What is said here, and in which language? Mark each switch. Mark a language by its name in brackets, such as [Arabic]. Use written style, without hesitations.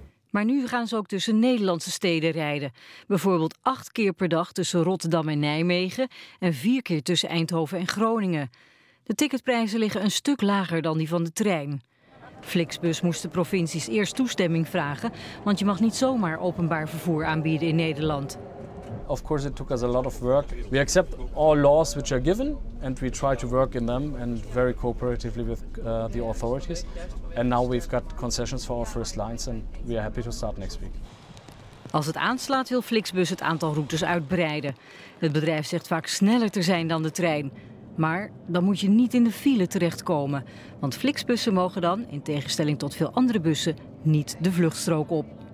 [Dutch] Maar nu gaan ze ook tussen Nederlandse steden rijden. Bijvoorbeeld 8 keer per dag tussen Rotterdam en Nijmegen en 4 keer tussen Eindhoven en Groningen. De ticketprijzen liggen een stuk lager dan die van de trein. Flixbus moest de provincies eerst toestemming vragen, want je mag niet zomaar openbaar vervoer aanbieden in Nederland. [English] Of course, it took us a lot of work. We accept all laws which are given and we try to work in them and very cooperatively with the authorities. And now we've got concessions for our first lines and we are happy to start next week. [Dutch] Als het aanslaat wil Flixbus het aantal routes uitbreiden. Het bedrijf zegt vaak sneller te zijn dan de trein. Maar dan moet je niet in de file terechtkomen. Want Flixbussen mogen dan, in tegenstelling tot veel andere bussen, niet de vluchtstrook op.